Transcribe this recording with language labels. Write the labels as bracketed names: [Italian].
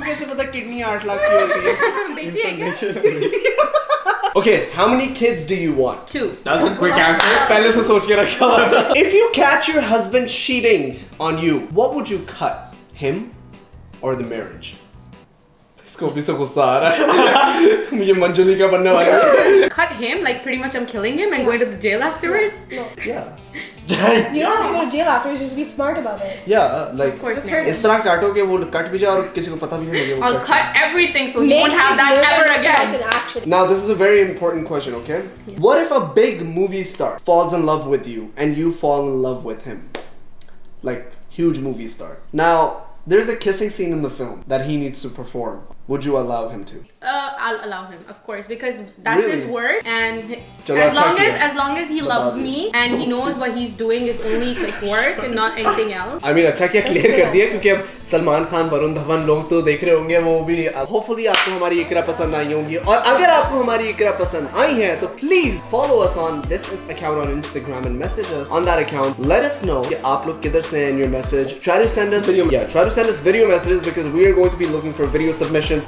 [Hindi] कैसे पता किडनी 8 लाख की होती है? [English] Okay, how many kids do you want? Two. That's a quick answer. [Hindi] पहले से सोच के रखा हुआ था. [English] If you catch your husband cheating on you, what would you cut? Him or the marriage? [Hindi] इसको भी सब गुस्सा आ रहा है. मुझे मंजुली का बनने वाला है. [English] Cut him? Like pretty much I'm killing him and going to the jail afterwards? Yeah. You don't have to go to jail after, you just be smart about it. Yeah, like, [Hindi] is tarah kaato ke wo cut bhi ja aur kisi ko pata bhi nahi lage. [English] I'll cut everything so he won't have that ever again. Now, this is a very important question, okay? Yeah. What if a big movie star falls in love with you and you fall in love with him? Like, huge movie star. Now, there's a kissing scene in the film that he needs to perform. Would you allow him to? I'll allow him, of course, because that's really? His work. And as long as he loves me and he knows what he's doing is only like work and not anything else. I mean, [Hindi] अच्छा क्या clear कर दिया क्योंकि अब सलमान खान, वरुण धवन लोग तो देख रहे होंगे वो भी. [English] Hopefully [Hindi] आपको हमारी इकरा पसंद आई होंगी और अगर आपको हमारी इकरा पसंद आई है तो [English] please follow us on this account on Instagram and message us on that account. Let us know [Hindi] कि आप लोग किधर से हैं [English] in your message. Try to send us video messages because we are going to be looking for video submissions.